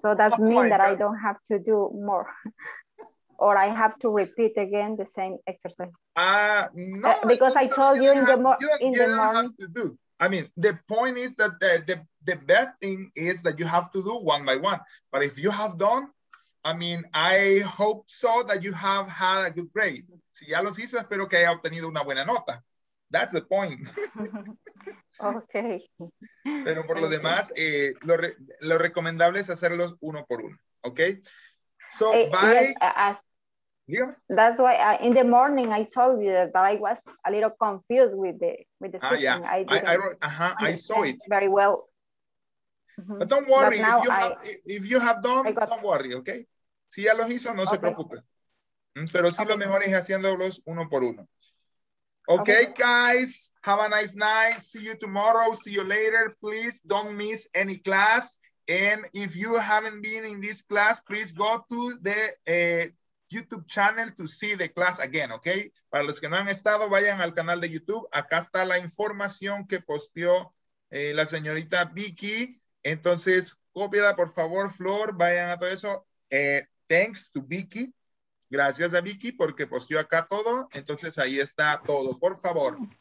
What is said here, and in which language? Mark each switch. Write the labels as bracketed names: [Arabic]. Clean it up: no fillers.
[English] So that means that I don't have to do more. Or I have to repeat again the same exercise. Because I told you you don't have to do. I mean, the point is that the best thing is that you have to do one by one. But if you have done, I mean, I hope so that you have had a good grade. [Spanish] Si ya los hizo, espero que haya obtenido una buena nota. [English] That's the point. Okay. [Spanish] Pero por lo demás, lo recomendable es hacerlos uno por uno. [English] Okay. So, That's why in the morning I told you that I was a little confused with the system. Yeah. I saw it very well. But don't worry. But don't worry. Okay. [Spanish] Si ya los hizo, se preocupe. Pero sí, lo mejor es haciéndolos uno por uno. [English] Okay, guys, have a nice night. See you tomorrow. See you later. Please don't miss any class. And if you haven't been in this class, please go to the YouTube channel to see the class again, okay? [Spanish] Para los que no han estado, vayan al canal de YouTube. Acá está la información que posteó la señorita Vicky. Entonces, cópiala, por favor, Flor. Vayan a todo eso. [English] thanks to Vicky. [Spanish] Gracias a Vicky porque posteó acá todo. Entonces ahí está todo. Por favor.